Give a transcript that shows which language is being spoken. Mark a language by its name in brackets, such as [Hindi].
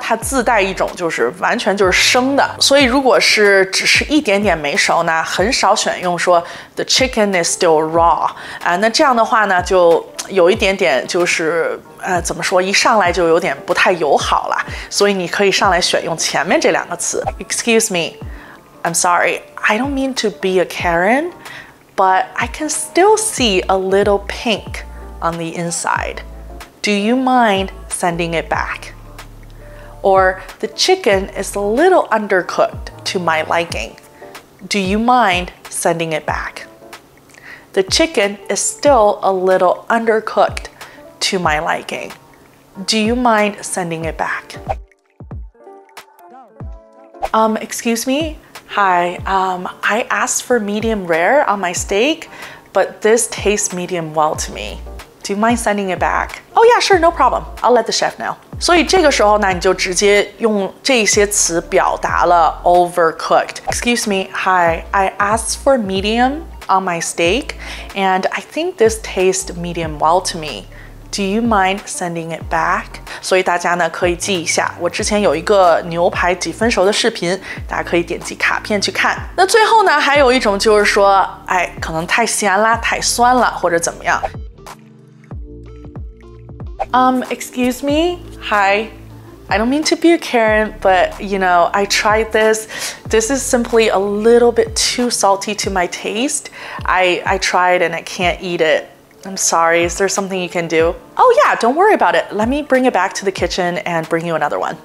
[Chinese] 它自带一种就是完全就是生的。所以如果是只是一点点没熟呢，很少选用说 [English] the chicken is still raw. [Chinese] 那这样的话呢，就有一点点就是怎么说，一上来就有点不太友好了，所以你可以上来选用前面这两个词。 [English] Excuse me, I'm sorry, I don't mean to be a Karen, but I can still see a little pink on the inside. Do you mind sending it back? Or the chicken is a little undercooked to my liking. Do you mind sending it back? The chicken is still a little undercooked. To my liking. Do you mind sending it back? Excuse me? Hi, I asked for medium rare on my steak, but this tastes medium well to me. Do you mind sending it back? Oh yeah, sure, no problem. I'll let the chef know. [Chinese] 所以这个时候呢，你就直接用这些词表达了 [English] overcooked. Excuse me? Hi, I asked for medium on my steak, and I think this tastes medium well to me. Do you mind sending it back? [Chinese] 所以大家呢可以记一下，我之前有一个牛排几分熟的视频，大家可以点击卡片去看。那最后呢，还有一种就是说，哎，可能太咸啦，太酸了，或者怎么样。 [English] Excuse me, hi. I don't mean to be a Karen, but you know, I tried this. This is simply a little bit too salty to my taste. I tried and I can't eat it. I'm sorry, is there something you can do? Oh yeah, don't worry about it. Let me bring it back to the kitchen and bring you another one.